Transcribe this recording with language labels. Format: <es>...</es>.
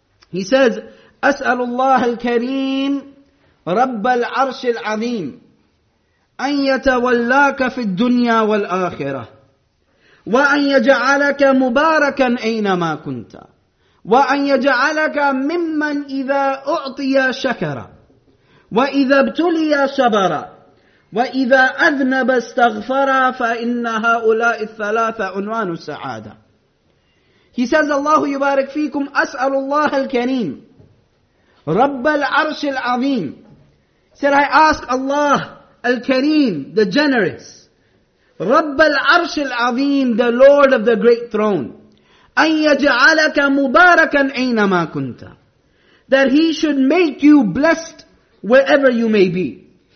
<en>he says,</en> <ar>As'alullah al-Kareem, Rabbal Arsh al-Azim, an yatawallaka fi al-dunya wal-akhirah, وَأَنْ يَجَعَلَكَ مُبَارَكًا أَيْنَمَا كُنْتَ وَأَنْ يَجَعَلَكَ مِمَّنْ إِذَا أُعْطِيَ شَكَرًا وَإِذَا ابْتُلِيَ صَبَرًا وَإِذَا أَذْنَبَ اسْتَغْفَرًا فَإِنَّ هَؤُلَاءِ الثَّلَاثَ عُنْوَانُ السَّعَادَةِ.</ar> <en>He says,</en> <ar>Allahu yubarak fikum, أسأل الله الكريم رب العرش العظيم.</ar> <en>Said, I ask Allah al-Kareem, the generous,</en> <ar>رب العرش العظيم,</ar> <en>the Lord of the Great Throne,</en> <ar>أن يجعلك مباركا أينما كنت,</ar> <en>that He should make you blessed wherever you may be.</en>